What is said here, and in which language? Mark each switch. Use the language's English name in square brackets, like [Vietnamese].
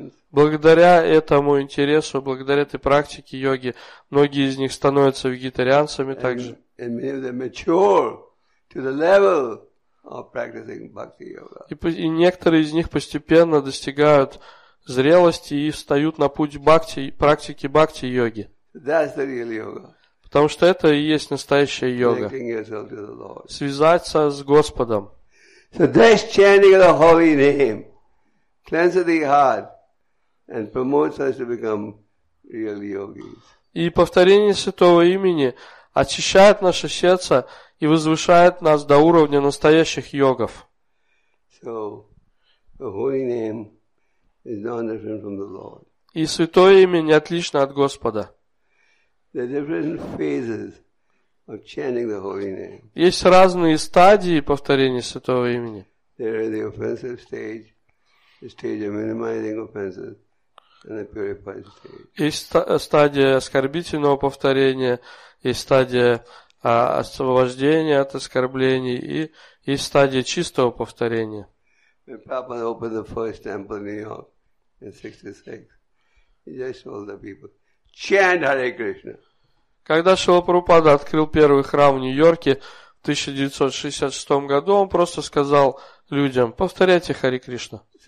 [Russian] Благодаря этому интересу, благодаря этой практике йоги, многие из них становятся вегетарианцами также. [English] And many of them mature to the level of practicing bhakti yoga. [Russian] И некоторые из них постепенно достигают зрелости и встают на путь бхакти, практики бхакти йоги. [English] That's the real yoga. [Russian] Потому что это и есть настоящая йога. Связаться с Господом. [English] So this chanting of the holy name cleanses the heart and promotes us to become real yogis. [Russian] И повторение Святого Имени очищает наше сердце и возвышает нас до уровня настоящих йогов. [English] So, the holy name is not different from the Lord. [Russian] И Святое Имя не отлично от Господа. [English] There are different phases of chanting the holy name. [Russian] Есть разные стадии повторения Святого Имени. [English] There is the offensive stage. The stage of minimizing offenses and the purified stage. [Russian] Есть стадия оскорбительного повторения, есть стадия освобождения от оскорблений и есть стадия чистого повторения. [English] When Prabhupada opened the first temple in New York in 66, he just told the people, chant Hare Krishna. [Russian] Когда Шрила Прабхупада открыл первый храм в Нью-Йорке в 1966 году, он просто сказал, людям, повторяйте Хари Кришна.